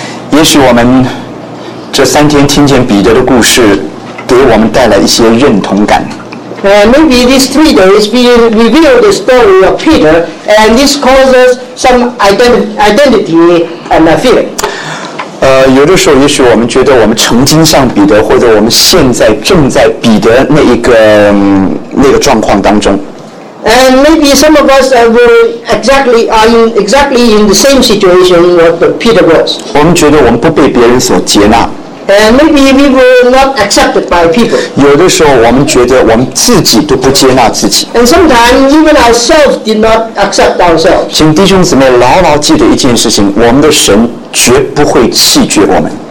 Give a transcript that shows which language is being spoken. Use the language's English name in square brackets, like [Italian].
[Chinese] 也许我们这三天听见彼得的故事，给我们带来一些认同感。 [English] Maybe these 3 days we reveal the story of Peter, and this causes some identity and fear. [Chinese] 有的时候，也许我们觉得我们曾经像彼得，或者我们现在正在彼得那一个状况当中。 [English] And maybe some of us are in the same situation what Peter was. [Chinese] 我们觉得我们不被别人所接纳。 [English] And maybe we were not accepted by people. [Chinese] 有的时候我们觉得我们自己都不接纳自己。 [English] And sometimes even ourselves did not accept ourselves. [Chinese] 请弟兄姊妹牢牢记得一件事情，我们的神绝不会弃绝我们。